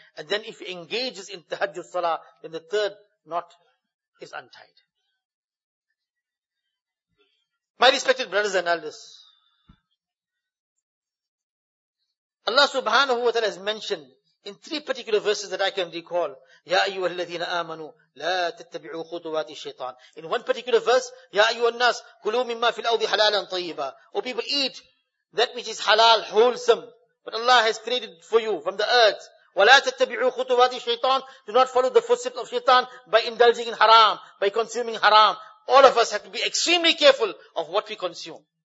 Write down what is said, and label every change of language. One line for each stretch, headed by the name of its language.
English: And then if he engages in tahajjud salah, then the third knot is untied. My respected brothers and elders, Allah subhanahu wa ta'ala has mentioned in three particular verses that I can recall,
Arabic: يَا أَيُّهَا الَّذِينَ آمَنُوا لَا تَتَّبِعُوا خُطُوَاتِ الشَّيْطَانِ.
English: In one particular verse,
Arabic: يَا أَيُّهَا النَّاسِ كُلُوا مِمَّا فِي الْأَوْضِ حَلَالًا طَيِّبًا.
English: Oh people, eat that which is halal, wholesome, but Allah has created for you from the earth.
Arabic: وَلَا تَتَّبِعُوا خُطُوَاتِ الشَّيْطَانِ.
English: Do not follow the footsteps of shaitan by indulging in haram, by consuming haram. All of us have to be extremely careful of what we consume.